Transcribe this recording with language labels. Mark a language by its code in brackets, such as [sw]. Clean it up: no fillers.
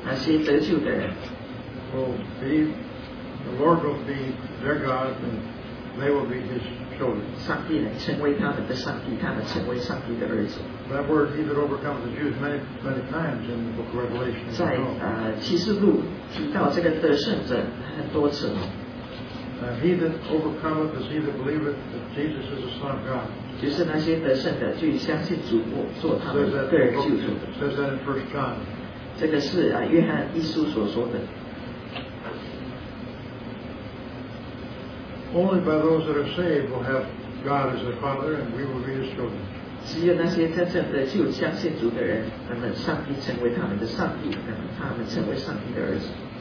[zh] 那些得救的人, [en] will be, the Lord will be their God and they will be his children. That word either overcome is used many, many times in the book of Revelation. [zh] 启示录提到这个得胜者很多次。 [en] He that overcometh is he that believeth that Jesus is the Son of God. [zh] 就是那些得胜的，就相信主做他们的救主。 [en] Says that in 1 John. [zh] 这个是约翰一书所说的。 [en] Only by those that are saved will have God as their Father, and we will be his children. [zh] 只有那些真正的就相信主的人，他们上帝成为他们的上帝，他们成为上帝的儿子。